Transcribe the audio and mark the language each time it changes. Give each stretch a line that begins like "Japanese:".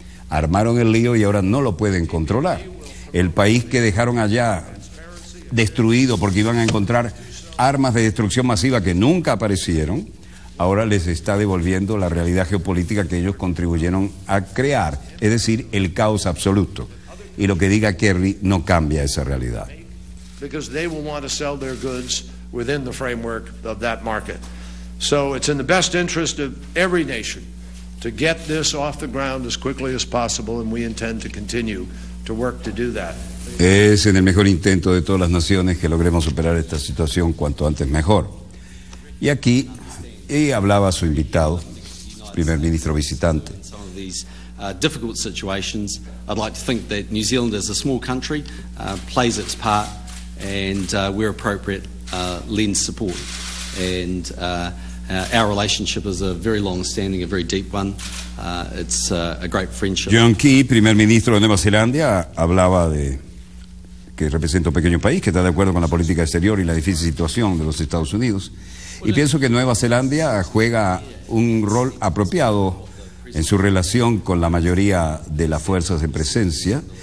Spanish: Armaron el lío y ahora no lo pueden controlar. El país que dejaron allá destruido porque iban a encontrar armas de destrucción masiva que nunca aparecieron, ahora les está devolviendo la realidad geopolítica que ellos contribuyeron a crear, es decir, el caos absoluto. Y lo que diga Kerry no cambia esa realidad.
English: Because they will want to sell their goods within the framework of that market. So it's in the best interest of every nation to get this off the ground as quickly as possible, and we intend to continue to work to do that.
Spanish: Es en el mejor intento de todas las naciones que logremos superar esta situación cuanto antes mejor. Y aquí, y hablaba su invitado, primer ministro visitante.
English: Difficult situations. I'd like to think that New Zealand as a small country plays its part and where appropriate lends support, and our relationship is a very long standing, a very deep one. It's a great friendship.
Spanish: John Key, primer ministro de Nueva Zelanda, hablaba de que representa un pequeño país que está de acuerdo con la política exterior y la difícil situación de los Estados Unidos, y pienso que Nueva Zelanda juega un rol apropiado en su relación con la mayoría de las fuerzas en presencia.